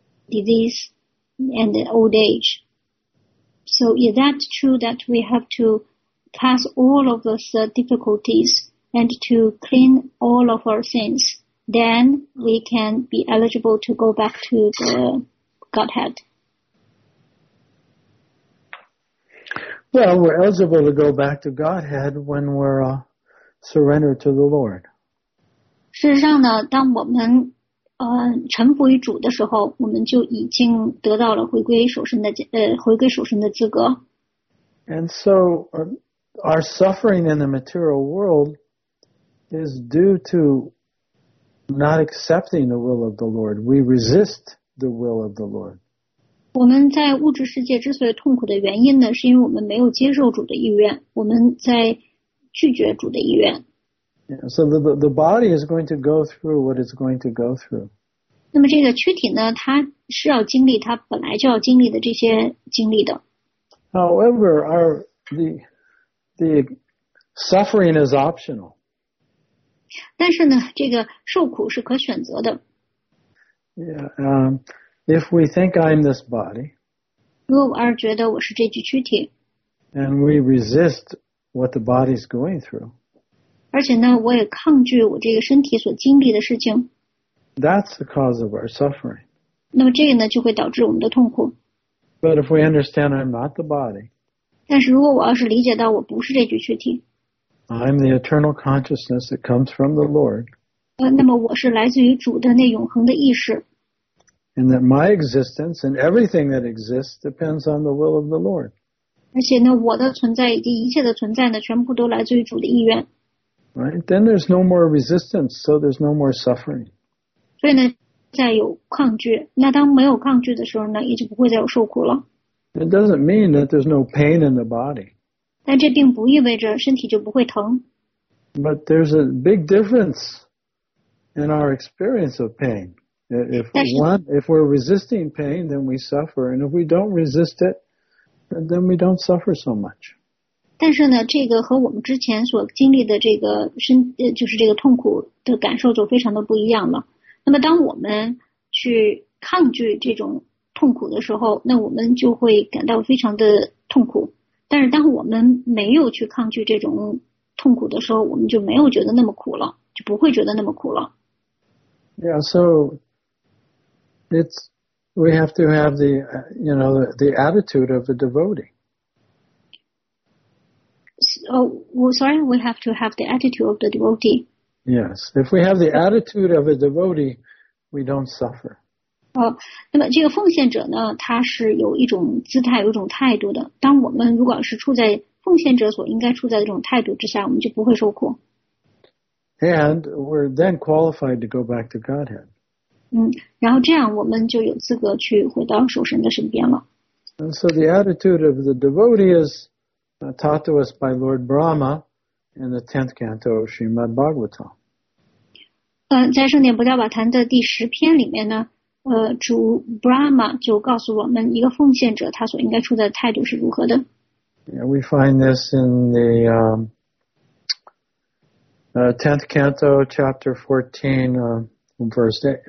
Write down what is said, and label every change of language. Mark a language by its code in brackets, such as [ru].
[en] Disease and old age. So is that true that we have to pass all of those difficulties and to clean all of our sins, then we can be eligible to go back to the Godhead? Well, we're eligible to go back to Godhead when we're surrendered to the Lord. [zh] 事实上呢，当我们臣服于主的时候，我们就已经得到了回归属神的资格。 [en] And so, our suffering in the material world is due to not accepting the will of the Lord. We resist the will of the Lord. [zh] 我们在物质世界之所以痛苦的原因呢，是因为我们没有接受主的意愿，我们在拒绝主的意愿。 [en] Yeah, so the body is going to go through what it's going to go through. [zh] 那么这个躯体呢，它是要经历它本来就要经历的这些经历的。 [en] However, the suffering is optional. [zh] 但是呢，这个受苦是可选择的。 [en] If we think I'm this body, [zh] 如果我而觉得我是这具躯体， [en] and we resist what the body's going through. [zh] 而且呢，我也抗拒我这个身体所经历的事情。 [en] That's the cause of our suffering. [zh] 那么这个呢，就会导致我们的痛苦。 [en] But if we understand I'm not the body, [zh] 但是如果我要是理解到我不是这具躯体 [en] I'm the eternal consciousness that comes from the Lord. [zh] 那么我是来自于主的那永恒的意识。 [en] And that my existence and everything that exists depends on the will of the Lord. [zh] 而且呢我的存在以及一切的存在呢全部都来自于主的意愿。 [en] Right? Then there's no more resistance, so there's no more suffering. [zh] 所以呢再有抗拒那当没有抗拒的时候呢也就不会再有受苦了。 [en] It doesn't mean that there's no pain in the body. [zh] 但这并不意味着身体就不会疼。 [en] But there's a big difference in our experience of pain. If we're resisting pain, then we suffer. And if we don't resist it, then we don't suffer so much. [zh] 但是呢，这个和我们之前所经历的这个身，就是这个痛苦的感受就非常的不一样了。那么当我们去抗拒这种痛苦的时候那我们就会感到非常的痛苦但是当我们没有去抗拒这种痛苦的时候我们就没有觉得那么苦了就不会觉得那么苦了 [en] Yeah, so we have to have the attitude of a devotee We have to have the attitude of the devotee Yes, if we have the attitude of a devotee we don't suffer [zh] 那么这个奉献者呢他是有一种姿态有一种态度的当我们如果是处在奉献者所应该处在这种态度之下我们就不会受苦 [en] And we're then qualified to go back to Godhead [zh] 然后这样我们就有资格去回到守神的身边了 [en] And so the attitude of the devotee is taught to us by Lord Brahma in the 10th canto of Srimad Bhagavatam [zh] 在圣典不教法坛的第十篇里面呢主 Brahma 就告诉我们一个奉献者他所应该处的态度是如何的。 [en] Yeah, we find this in the 10th canto, chapter 14, verse 8.